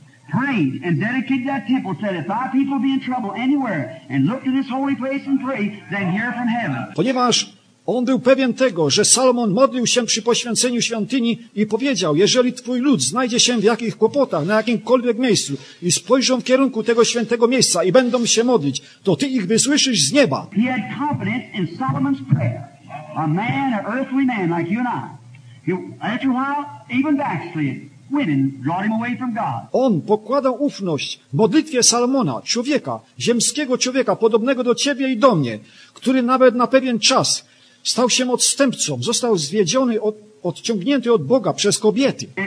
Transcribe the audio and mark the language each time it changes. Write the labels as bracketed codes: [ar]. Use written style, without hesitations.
[en] Prayed and dedicated that temple, said if thy people be in trouble anywhere and look to this holy place and pray, then hear from heaven. [pl] Ponieważ on był pewien tego, że Salomon modlił się przy poświęceniu świątyni i powiedział, jeżeli twój lud znajdzie się w jakich kłopotach, na jakimkolwiek miejscu i spojrzą w kierunku tego świętego miejsca i będą się modlić, to ty ich wysłyszysz z nieba. [en] He had confidence in Solomon's prayer. A man, an earthly man like you and I. After a while, even backslid. Women brought him away from God. [pl] On pokładał ufność w modlitwie Salomona, człowieka, ziemskiego człowieka, podobnego do ciebie i do mnie, który nawet na pewien czas stał się odstępcą, został zwiedziony, odciągnięty od Boga przez kobiety.